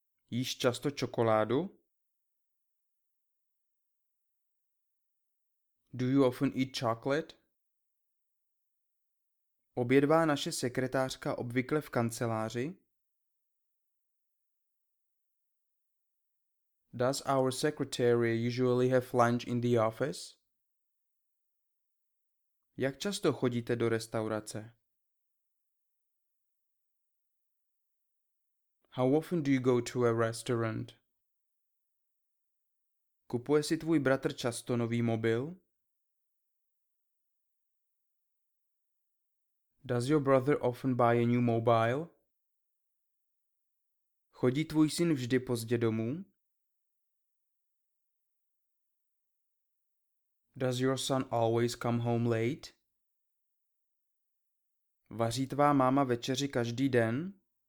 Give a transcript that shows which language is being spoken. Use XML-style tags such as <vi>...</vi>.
<cs>Jíš často čokoládu?</cs> <en>Do you often eat chocolate?</en> <cs>Obědvá naše sekretářka obvykle v kanceláři?</cs> <en>Does our secretary usually have lunch in the office?</en> <cs>Jak často chodíte do restaurace?</cs> <en>How often do you go to a restaurant?</en> <cs>Kupuje si tvůj bratr často nový mobil?</cs> <en>Does your brother often buy a new mobile?</en> <cs>Chodí tvůj syn vždy pozdě domů?</cs> <en>Does your son always come home late?</en> <cs>Vaří tvá máma večeři každý den?</cs>